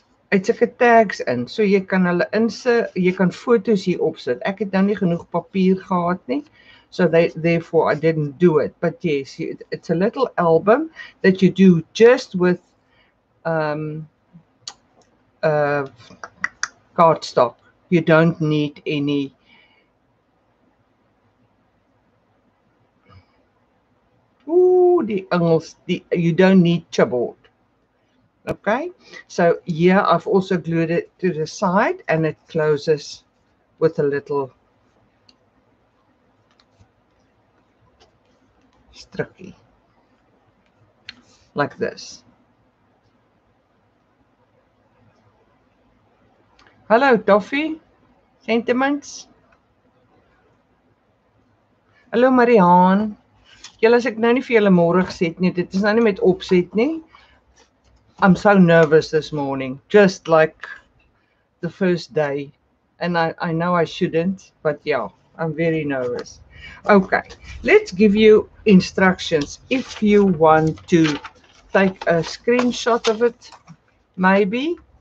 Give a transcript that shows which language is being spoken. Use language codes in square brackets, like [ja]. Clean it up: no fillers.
[af] Het seke tags in, so jy kan hulle jy kan foto's hier opsit. Ek het nou nie genoeg papier gehad nie, so [en] therefore I didn't do it. But yes, it's a little album that you do just with cardstock. You don't need any you don't need chipboard. Okay, so here I've also glued it to the side and it closes with a little it's tricky. Like this. Hello, Toffee. Sentiments. [af] Hallo, Marianne. Julle, as ek nou nie vir julle môre gesê het nie, dit is nou nie met opset nie. [en] I'm so nervous this morning, just like the first day. And I know I shouldn't, but yeah, I'm very nervous. Okay, let's give you instructions. If you want to take a screenshot of it, maybe.